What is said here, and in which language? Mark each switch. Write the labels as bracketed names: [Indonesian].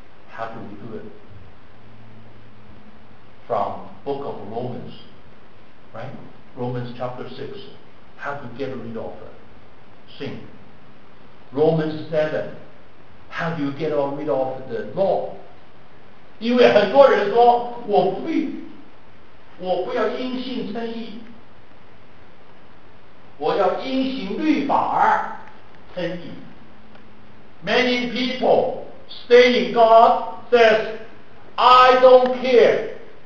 [English] How do we do it? From book of Romans, right? Romans chapter 6, how to get rid of sin. Romans 7, how do you get rid of the law? [Chinese] 因为很多人说我不要因信称义，我要因行律法称义。 [English] Many people stay in GodSays, I don't care.